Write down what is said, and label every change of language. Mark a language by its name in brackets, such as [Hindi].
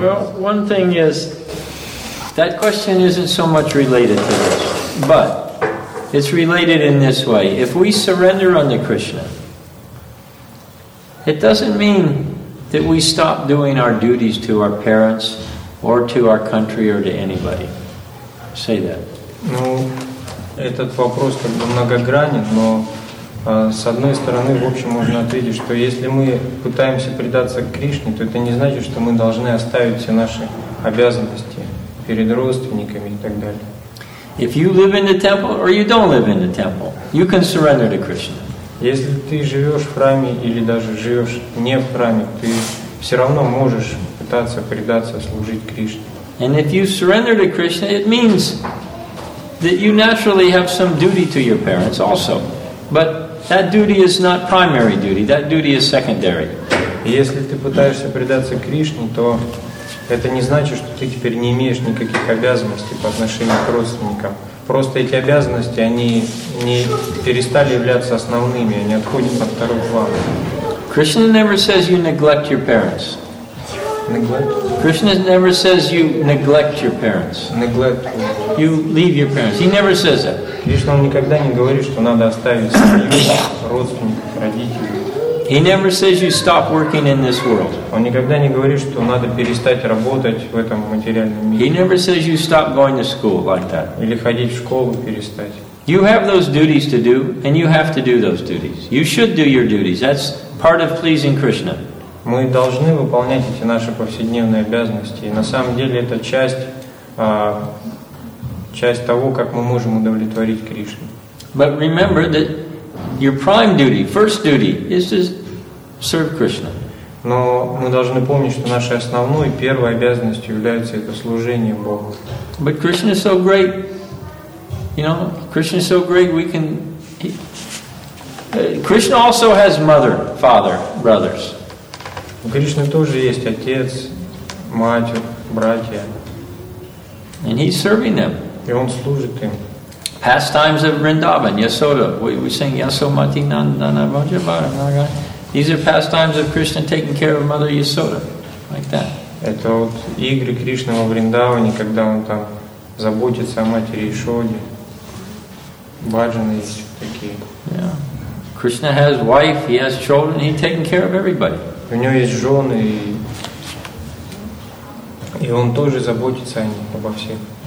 [English] Well, one thing is that question isn't so much related to this, but it's related in this way. If we surrender unto Krishna, it doesn't mean that we stop doing our duties to our parents or to our country or to anybody. Say that. [Russian] Ну, этот вопрос как бы многогранен, но с одной стороны, в общем, можно ответить, что если мы пытаемся предаться Кришне, то это не значит, что мы должны оставить все наши обязанности перед родственниками и так далее. [English] If you live in the temple or you don't live in the temple, you can surrender to Krishna. [Russian] Если ты живешь в храме или даже живешь не в храме, ты все равно можешь пытаться предаться, служить Кришне. [English] And if you surrender to Krishna, it means that you naturally have some duty to your parents also. But that duty is not primary duty, that duty is secondary. [Russian] Если ты пытаешься предаться Кришне, то это не значит, что ты теперь не имеешь никаких обязанностей по отношению к родственникам. Просто эти обязанности, они не перестали являться основными, они отходят от второго плана. [English] Krishna never says you neglect your parents. Neglect? Krishna never says you neglect your parents. Neglect. You leave your parents. He never says that. [Russian] Кришна никогда не говорит, что надо оставить семью, родственников, родителей. [English] He never says you stop working in this world. [Russian] Он никогда не говорит, что надо перестать работать в этом материальном мире. [English] He never says you stop going to school like that. [Russian] Или ходить в школу перестать. [English] You have those duties to do, and you have to do those duties. You should do your duties. That's part of pleasing Krishna. [Russian] Мы должны выполнять эти наши повседневные обязанности. И на самом деле это часть того, как мы можем удовлетворить Кришну. [English] But remember that your prime duty, first duty, is to serve Krishna. [Russian] Но мы должны помнить, что нашей основной, первой обязанностью является это служение Богу. [English] But Krishna is so great, you know, Krishna is so great, we can... Krishna also has mother, father, brothers. [Russian] У Кришны тоже есть отец, мать, братья. [English] And he's serving them. [Russian] И он служит им. [English] Pastimes of Vrindavan, Yasoda. We sing Yasomati Nandana Vajabara. These are pastimes of Krishna taking care of Mother Yasoda. Like that. [Russian] Это вот игры Кришны во Вриндаване, когда он там заботится о матери Ясоде. Баджаны есть такие. [English] Yeah. Krishna has wife, he has children, he's taking care of everybody. [Russian] У него есть жены, и он тоже заботится о них, обо всех.